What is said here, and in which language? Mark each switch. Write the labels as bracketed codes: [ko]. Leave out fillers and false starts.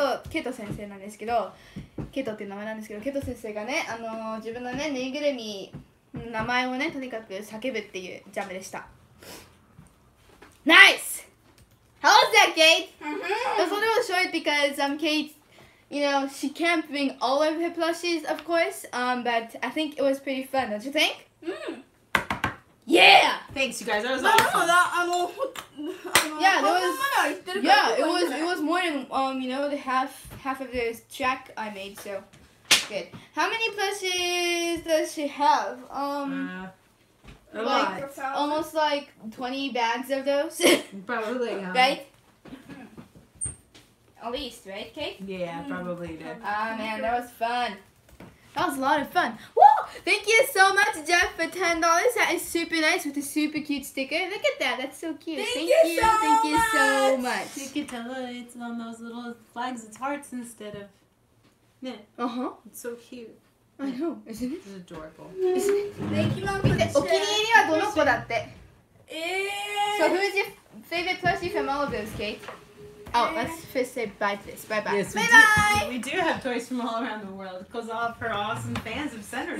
[ja] ケトっていう名前なんですけど、ケト先生がね、自分のね、ぬいぐるみ名前をね、とにかく叫ぶっていうジャムでした。 [en] ナイス How's that, Kate? That's a little short because, Kate, you know, she can't bring all of her plushies, of course, but I think it was pretty fun, don't you think? Yeah! Thanks, you guys. That was awesome. Yeah, it was more than, you know, the half of the track I made, so good. How many plushies does she have? Almost like 20 bags of those? Probably, yeah. Right? At least, right, Kate? Yeah, probably. Ah, man, that was fun. That was a lot of fun. Woo! Thank you so much, Jeff, for $10. That is super nice with a super cute sticker. Look at that. That's so cute. Thank you so much. You can tell it's on those little flags. It's hearts instead of... Yeah. Uh-huh. It's so cute. I know. Isn't it? It's adorable. Thank you, Mom. [ja] お気に入りはどの子だって? [en] So who is your favorite plushie from all of those, Kate? Oh, let's first say bye to this. Bye-bye. Yes, bye-bye! We do have toys from all around the world because all of her awesome fans have sent her